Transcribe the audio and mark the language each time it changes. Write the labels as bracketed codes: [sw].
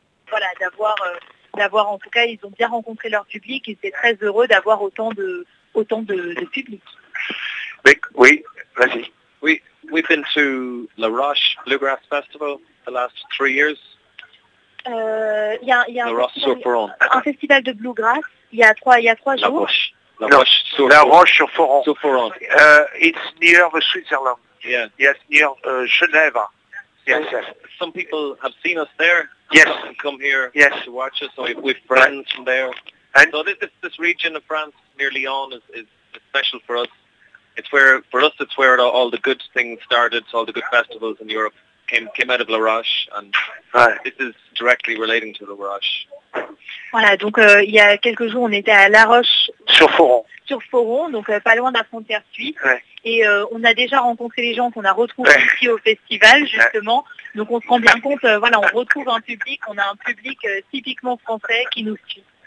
[fr] Voilà, d'avoir, en tout cas, ils ont bien rencontré leur public. Ils étaient très heureux d'avoir autant de public. Mick, oui, vas-y. [en] We've been to La Roche Bluegrass Festival the last 3 years. [fr] Il y a un festival de bluegrass il y a trois jours. La Roche-sur-Foron. [en] It's near the Switzerland. Yeah. Yes, near Geneva. Yes, yes. Some people have seen us there. Yes. Come here. Yes. To watch us. So we have friends from there. And so this region of France near Lyon is special for us. It's where all the good things started. So all the good festivals in Europe. Came out of La Roche, and this is directly relating to La Roche. [fr] Voilà, donc il y a quelques jours, on était à La Roche. Sur Foron, donc pas loin de la frontière suisse. Ouais. Et on a déjà rencontré les gens qu'on a retrouvés ici au festival, justement. Ouais. Donc on se rend bien compte, voilà, on retrouve un public, on a un public typiquement français qui nous suit.